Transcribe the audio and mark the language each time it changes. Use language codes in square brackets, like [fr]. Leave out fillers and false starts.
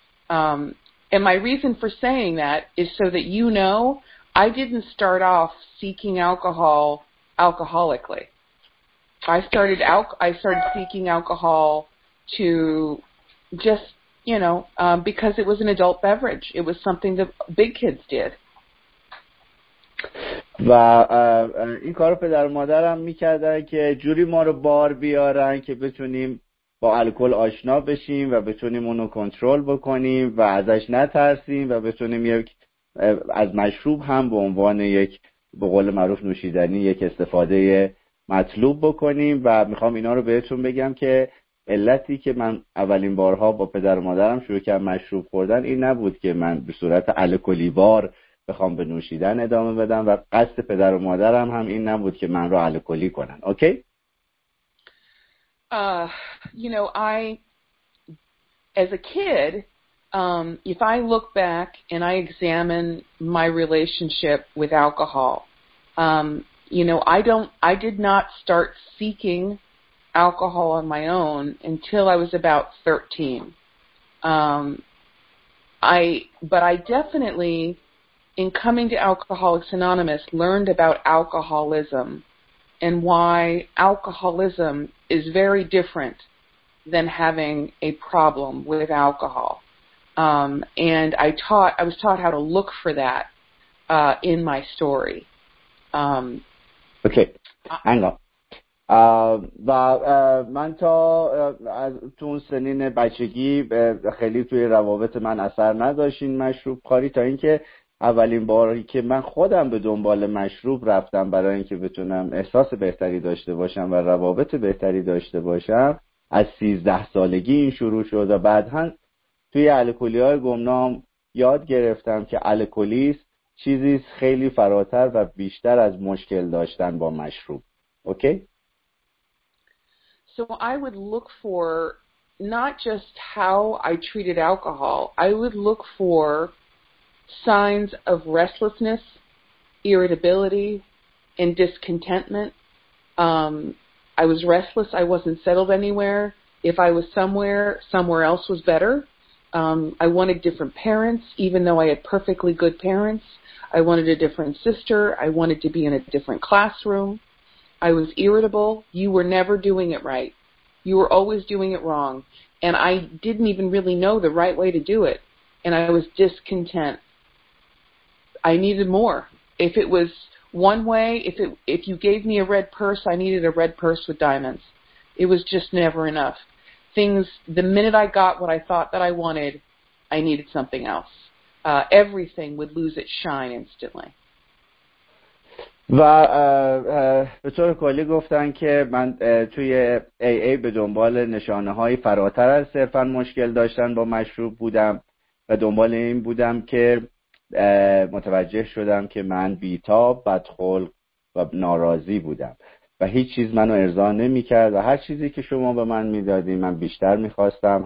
[en] And my reason for saying that is so that you know I didn't start off seeking alcohol alcoholically. I started seeking alcohol to just, you know, because it was an adult beverage. It was something that big kids did. [fa] و این کارو پدر و مادرم می‌کردن که جوری ما رو بار بیارن که بتونیم با الکل آشنا بشیم و بتونیم اونو کنترل بکنیم و ازش نترسیم و بتونیم یک از مشروب هم به عنوان یک به قول معروف نوشیدنی یک استفاده مطلوب بکنیم. و میخوام اینا رو بهتون بگم که علتی که من اولین بارها با پدر و مادرم شروع کردم مشروب خوردن این نبود که من به صورت الکلی بار بخوام به نوشیدن ادامه بدم و قصد پدر و مادرم هم این نبود که من رو الکلی کنن. [en] Okay? You know, I as a kid, if I look back and I examine my relationship with alcohol, you know, I did not start seeking alcohol on my own until I was about 13. But I definitely, in coming to Alcoholics Anonymous, learned about alcoholism and why alcoholism is very different than having a problem with alcohol. And I was taught how to look for that, in my story. Okay, hang on. [fa] و من تا از تو اون سنین بچگی خیلی توی روابط من اثر نداشتین مشروب خوری، تا اینکه اولین باری که من خودم به دنبال مشروب رفتم برای اینکه بتونم احساس بهتری داشته باشم و روابط بهتری داشته باشم از 13 سالگی این شروع شد. و بعد هم توی الکلی‌های گمنام یاد گرفتم که الکلیست چیزی خیلی فراتر و بیشتر از مشکل داشتن با مشروب. [en] Okay? So I would look for not just how I treated alcohol. I would look for signs of restlessness, irritability, and discontentment. I was restless. I wasn't settled anywhere. If I was somewhere else was better. I wanted different parents, even though I had perfectly good parents. I wanted a different sister. I wanted to be in a different classroom. I was irritable. You were never doing it right. You were always doing it wrong. and I didn't even really know the right way to do it, and I was discontent. I needed more. If it was one way, if you gave me a red purse, I needed a red purse with diamonds. It was just never enough. Things, the minute I got what I thought that I wanted, I needed something else. Everything would lose its shine instantly. [fa] و به طور کلی گفتن که من توی AA به دنبال نشانه های فراتر از صرفا مشکل داشتن با مشروب بودم و دنبال این بودم که متوجه شدم که من بیتاب، بدخلق و ناراضی بودم و هیچ چیز منو ارضا نمی کرد و هر چیزی که شما به من می دادیم من بیشتر می خواستم.